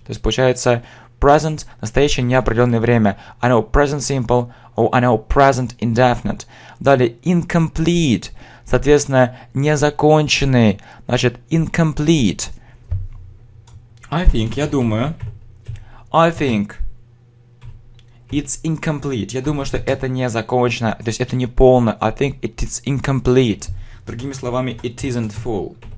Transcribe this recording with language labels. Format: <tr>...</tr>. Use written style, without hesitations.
<ru>То есть получается present, настоящее, неопределенное время.</ru> <en>I know present simple or I know present indefinite.</en> <ru>Далее incomplete. Соответственно, незаконченный. Значит,</ru> <en>incomplete. I think,</en> <ru>я думаю.</ru> <en>I think. It's incomplete.</en> <ru>Я думаю, что это не закончено, то есть это не полно.</ru> <en>I think it is incomplete.</en> <ru>Другими словами,</ru> <en>it isn't full.</en>